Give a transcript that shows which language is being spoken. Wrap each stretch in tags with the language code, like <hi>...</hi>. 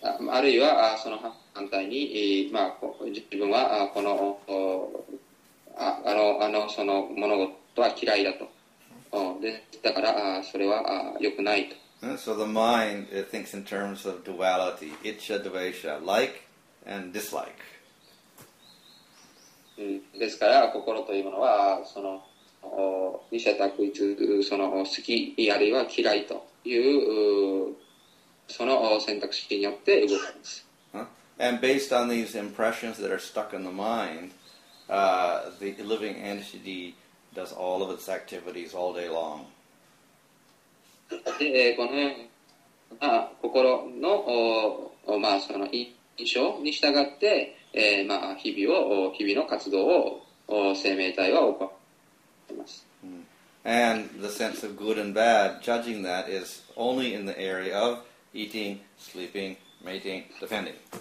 <ja>あるいは、その反対に、まあ、自分はこの、その物事は嫌いだと。で、だから、それは良くないと。</ja> <en>So the mind, it thinks in terms of duality, icha, dvesha, like and dislike.</en> <ja>ですから、心というものは、その、二者択一、その、好き、あるいは嫌いという、その選択肢によって動きます。</ja> <en>And based on these impressions that are stuck in the mind,the living entity does all of its activities all day long.</en> <ja>で、このような心の、まあ、その印象に従って、まあ、日々の活動を生命体は行います。</ja> <en>And the sense of good and bad, judging that, is only in the area of eating, sleeping, mating, defending.</en>